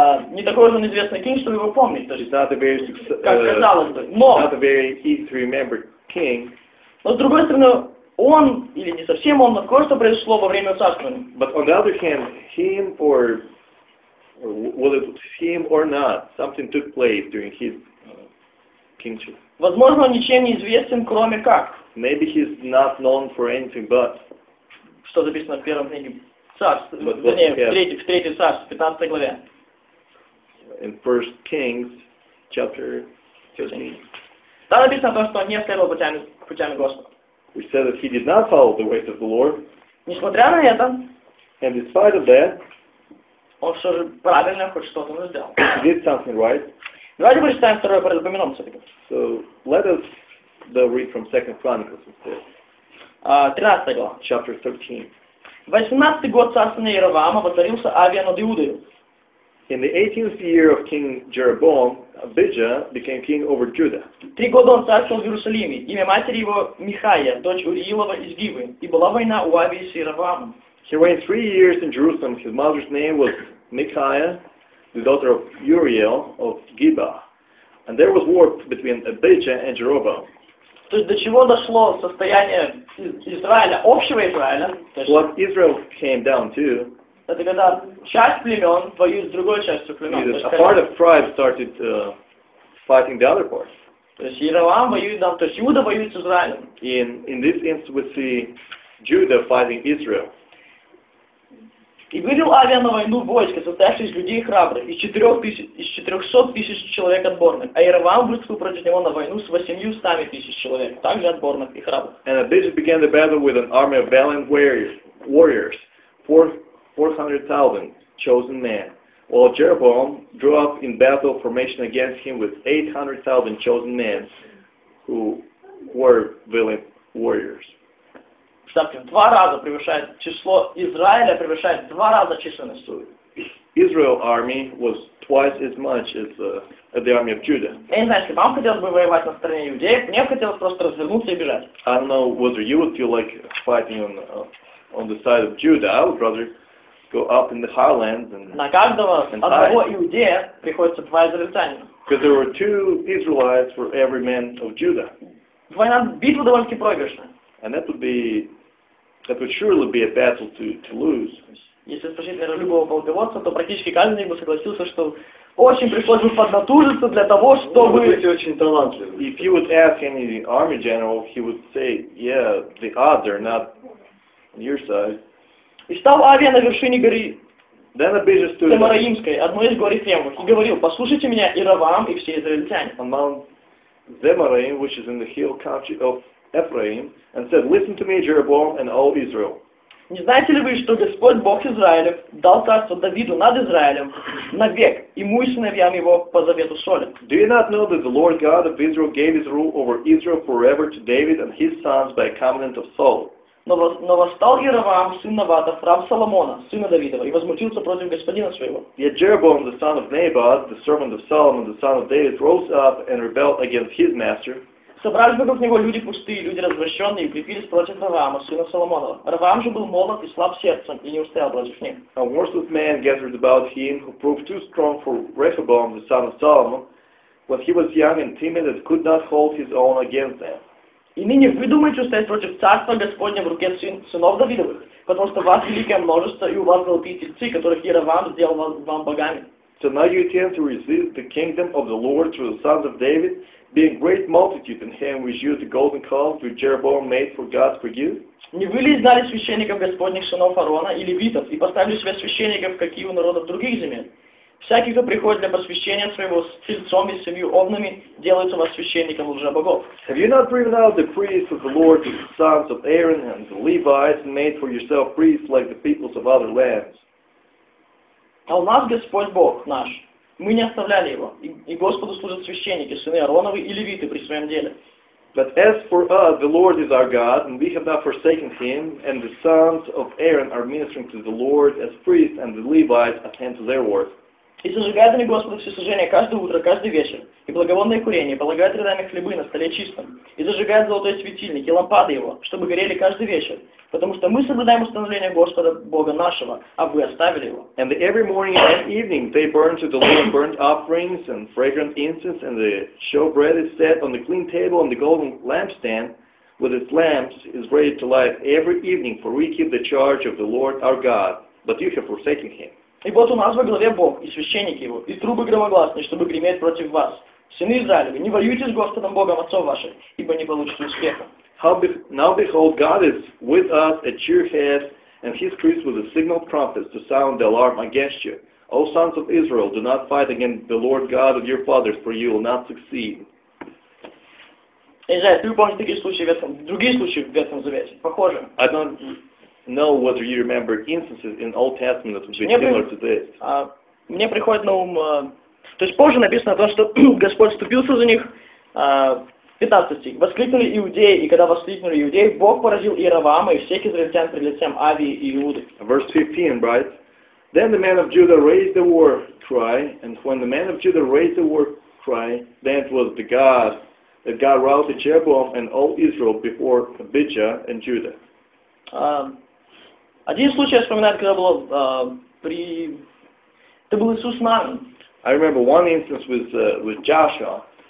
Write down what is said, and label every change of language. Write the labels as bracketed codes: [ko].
[ru] не такой же он известный кинг, чтобы его помнить. [en] He's not a very [ru] как казалось бы, но [en] not a very easy to remember king. [ru] Но с другой стороны, он или не совсем он, но кое-что произошло во время царствования. [en] But on the other hand, him or whether it was him or not, something took place during his kingship. [ru] Возможно, он ничем не известен, кроме как. [en] Maybe he's not known for anything but. [ru] Что записано в первом книге царств, вернее, в третьей царстве, 15 главе. [en] In First Kings, chapter 13. [ru] Там написано то, что он не следовал путями Господа. [en] We said that he did not follow the ways of the Lord. [ru] Несмотря на это. [en] And despite of that. [ru] Он все же правильно хоть что-то сделал. [en] He did something right. [ru] Давайте прочитаем второе по Рапоминам все-таки. [en] So let us read from Second Chronicles instead. [ru] 13 глава. [en] Chapter 13. [ru] 18 год царствования Иеровоама воцарился Авия над Иудою. [en] In the 18th year of King Jeroboam, Abijah became king over Judah. [ru] 3 года он царствовал в Иерусалиме. Имя матери его Михая, дочь Уриилова из Гивы. И была война у Авии с Иеровоамом. [en] He reigned 3 years in Jerusalem. His mother's name was Michaiah, the daughter of Uriel of Giba. And there was war between Abijah and Jeroboam. [ru] То есть до чего дошло состояние Израиля, общего Израиля? [en] What Israel came down to? [ru] Это когда часть племен воюет с другой частью племен. [en] Is a part of tribe started fighting the other part. [ru] То есть Иеровоам воюет, да, то есть Иуда воюет с Израилем. [en] In this instance we see Judah fighting Israel. [ru] И вывел Авия на войну войско, состоящее из людей храбрых, из 400 тысяч человек отборных, а Иеровоам выступил против него на войну с 800 тысяч человек, также отборных и храбрых. [en] And Abijah began the battle with an army of valiant warriors, 400,000 chosen men, while Jeroboam drew up in battle formation against him with 800,000 chosen men, who were valiant warriors. [ru] Ставьте, два раза превышает число Израиля, превышает два раза численность. [en] So, Israel army was twice as much as the army of Judah. [ru] Я не знаю, если вам хотелось бы воевать на стороне иудеев, мне хотелось просто развернуться и бежать. [en] I don't know whether you would feel like fighting on the side of Judah. I would rather go up in the highlands and [ru] На каждого одного иудея приходится два израильтянина. [en] Because there were two Israelites for every man of Judah. [ru] Война, битва довольно-таки проигрышная. [en] And that would surely be a battle to lose. [ru] Если спросить, наверное, любого полководца, то практически каждый бы согласился, что очень пришлось бы поднатужиться для того, чтобы. Вы будете очень талантливы. [en] If you would ask any army general, he would say, yeah, the odds are not on your side. [ru] И стал Авия на вершине горы. [en] Then Abijah stood. [ru] Темараимской, одной из гор Ефремовых, и говорил: послушайте меня, Иеровоам и все израильтяне. [en] On Mount Zemaraim, which is in the hill country of Ephraim, and said, listen to me, Jeroboam, and all Israel. [ru] Не знаете ли вы, что Господь Бог Израилев дал царство Давиду над Израилем навек, ему и сыновьям его по завету соли? [en] Do you not know that the Lord God of Israel gave his rule over Israel forever to David and his sons by a covenant of Saul? [ru] Но восстал Иеровоам, сын Навата, раб Соломона, сына Давидова, и возмутился против господина своего. [en] Yet Jeroboam, the son of Nebat, the servant of Solomon, the son of David, rose up and rebelled against his master. [ru] Собрались вокруг него люди пустые, люди развращенные, и укрепились против Иеровоама, сына Соломонова. Иеровоам же был молод и слаб сердцем, и не устоял против них. [en] A worthless man gathered about him, who proved too strong for Rehoboam, the son of Solomon, when he was young and timid and could not hold his own against them. [ru] И ныне вы думаете устоять против царства Господня в руке сынов Давидовых, потому что вас великое множество, и у вас золотые тельцы, которых Иеровоам сделал вам богами. [en] So now you intend to resist the kingdom of the Lord through the sons of David, being great multitude in him which used the golden calf which Jeroboam made for God for you? [ru] Не вы ли изгнали священников Господних сынов Аарона и левитов, и поставили себе священников, какие у народов других земель? Всякий, кто приходит для посвящения своего с тельцом и семью овнами, делается у вас священником лжебогов. [en] Have you not driven out the priests of the Lord to the sons of Aaron and the Levites and made for yourself priests like the peoples of other lands? [ru] А у нас Господь Бог наш. Мы не оставляли его. И Господу служат священники, сыны Аароновы и левиты при своем деле. [en] But as for us, the Lord is our God, and we have not forsaken him, and the sons of Aaron are ministering to the Lord as priests, and the Levites attend to their work. [ru] И сожигают они Господу все сожжения каждое утро, каждый вечер, и благовонное курение, полагают рядами хлебы на столе чистом, и зажигают золотой светильник и лампады его, чтобы горели каждый вечер, потому что мы соблюдаем установление Господа Бога нашего, а вы оставили его. [en] And every morning and evening they burn to the Lord burnt offerings and fragrant incense, and the showbread is set on the clean table and the golden lampstand, with its lamps is ready to light every evening, for we keep the charge of the Lord our God, but you have forsaken him. [ru] И вот у нас во главе Бог, и священники его, и трубы громогласны, чтобы греметь против вас. Сыны Израилевы, не воюйте с Господом Богом Отцом вашим, ибо не получите успеха. [en] Now behold, God is with us at your head, and his priest with a signal trumpet to sound the alarm against you. O sons of Israel, do not fight against the Lord God of your fathers, for you will not succeed. [ru] Я не знаю, ты помнишь такие случаи в этом, другие случаи в этом завете, похоже. [en] I don't know whether you remember instances in Old Testament that would be similar to this. [ru] Мне приходит на ум, то есть позже написано о том, что Господь вступился за них, 15 стих. Воскликнули иудеи, и когда воскликнули иудеи, Бог поразил Иеровоама и всех израильтян пред лицем Авии и Иуды. [en] Verse 15, right? Then the men of Judah raised the war cry, and when the men of Judah raised the war cry, then it was the God that God routed Jeroboam and all Israel before Abijah and Judah. [ru] Один случай вспоминает, когда было при... Это был Иисус Навин. [en] I remember one instance with Joshua.